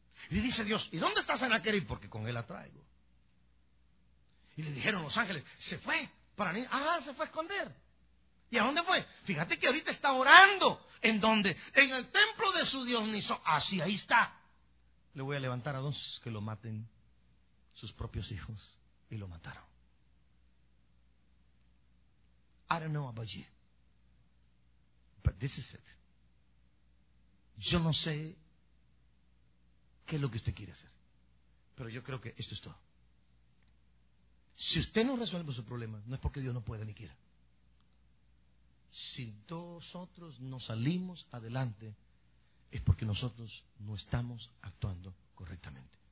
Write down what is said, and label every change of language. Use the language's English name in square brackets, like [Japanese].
[Spanish] Y dice Dios, ¿y dónde está Senaquerib? Porque con él la traigo. Y le dijeron los ángeles, se fue. Para mí, ah, se fue a esconder. ¿Y a dónde fue? Fíjate que ahorita está orando. ¿En dónde? En el templo de su Dios Niso. Así, ahí está. Le voy a levantar a dos que lo maten, sus propios hijos, y lo mataron. [English] I don't know about you, but this is it. [Spanish] Yo no sé qué es lo que usted quiere hacer, pero yo creo que esto es todo. Si usted no resuelve su problema, no es porque Dios no pueda ni quiera. Si nosotros no salimos adelante, es porque nosotros no estamos actuando correctamente.